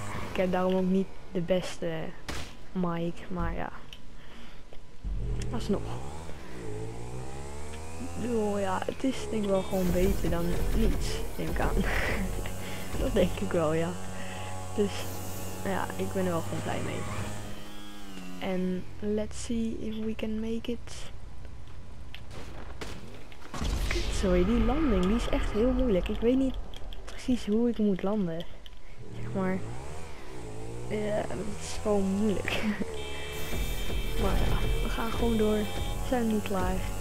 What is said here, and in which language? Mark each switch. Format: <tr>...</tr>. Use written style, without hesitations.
<nl>Ik heb daarom ook niet de beste mic, maar ja. Alsnog. Oh ja, het is denk ik wel gewoon beter dan niets, denk ik aan. Dat denk ik wel, ja. Dus ja, ik ben er wel gewoon blij mee.</nl> <en>En let's see if we can make it.</en> <nl>Sorry, die landing, die is echt heel moeilijk. Ik weet niet precies hoe ik moet landen. Maar ja, het is gewoon moeilijk. Maar ja, we gaan gewoon door. We zijn nu klaar.</nl>